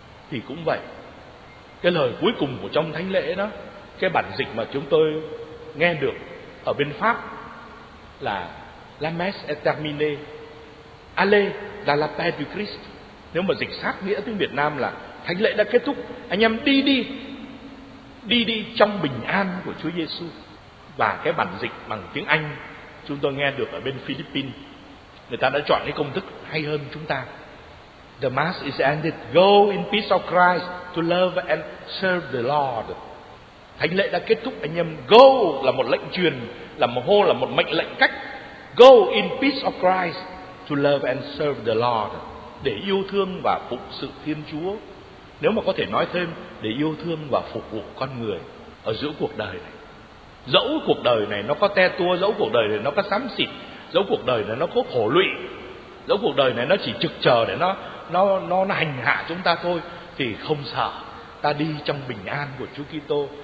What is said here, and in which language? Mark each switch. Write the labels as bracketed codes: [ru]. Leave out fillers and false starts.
[vi] Thì cũng vậy, cái lời cuối cùng của trong thánh lễ đó, cái bản dịch mà chúng tôi nghe được ở bên Pháp là [fr] La messe est terminée, allez dans la paix du Christ. [vi] Nếu mà dịch sát nghĩa tiếng Việt Nam là thánh lễ đã kết thúc, anh em đi đi, đi đi trong bình an của Chúa Giêsu. Và cái bản dịch bằng tiếng Anh chúng tôi nghe được ở bên Philippines, người ta đã chọn cái công thức hay hơn chúng ta. [en] The mass is ended, go in peace of Christ to love and serve the Lord. [vi] Thánh lễ đã kết thúc, anh em go là một lệnh truyền, là một hô, là một mệnh lệnh cách. [en] Go in peace of Christ to love and serve the Lord. [vi] Để yêu thương và phụng sự Thiên Chúa. Nếu mà có thể nói thêm, để yêu thương và phục vụ con người ở giữa cuộc đời này. Dẫu cuộc đời này nó có te tua, dẫu cuộc đời này nó có xám xịt, dẫu cuộc đời này nó có khổ lụy, dẫu cuộc đời này nó chỉ trực chờ để nó hành hạ chúng ta thôi, thì không sợ, ta đi trong bình an của Chúa Kitô.